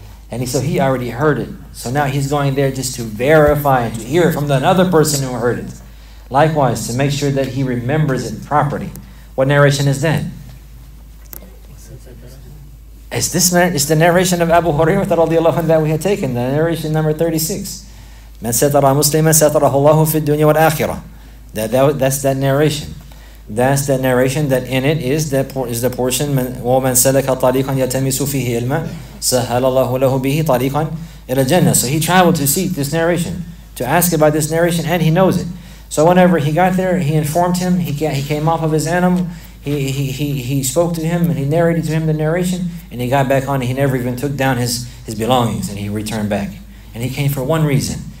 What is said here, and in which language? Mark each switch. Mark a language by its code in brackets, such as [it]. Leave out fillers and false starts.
[en] And he said, he already heard it. So now he's going there just to verify and to hear it from another person who heard it. Likewise, to make sure that he remembers it properly. What narration is that? Is this man? It's the narration of Abu Hurairah radiallahu anhu that we had taken, the narration number 36. [ar] من ستر مسلما ستره الله في الدنيا والآخرة. [en] That's that narration that in it is the portion [ar] ومن سلك طريقا يتمس فيه علما سهل الله له به طريقا إلى الجنة. [en] So he traveled to seek this narration, to ask about this narration, and he knows it. So whenever he got there, he informed him. He came off of his animal. He spoke to him and he narrated to him the narration, and he got back on. He never even took down his belongings, and he returned back. And he came for one reason.